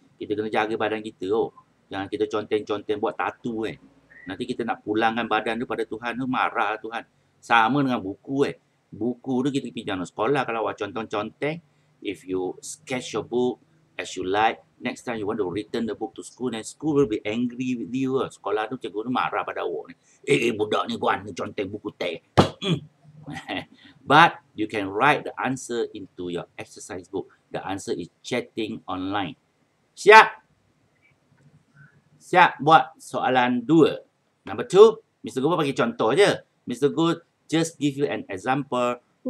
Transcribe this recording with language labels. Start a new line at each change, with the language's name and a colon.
Malay: Kita kena jaga badan kita. Oh. Jangan kita conteng-conteng buat tatu kan. Nanti kita nak pulangkan badan tu pada Tuhan tu, marah Tuhan. Sama dengan buku kan. Buku tu kita pinjam dalam sekolah. Kalau awak conteng-conteng,
English: if you sketch your book as you like, next time you want to return the book to school, then school will be angry with you.
Malay: Sekolah tu cikgu tu marah pada awak ni. Budak ni buat ni conteng buku teks.
English: But you can write the answer into your exercise book. The answer is chatting online.
Malay: Siap? Siap buat soalan dua.
English: Number two,
Malay: Mr. Go bagi contoh je. Mr.
English: Go just give you an example.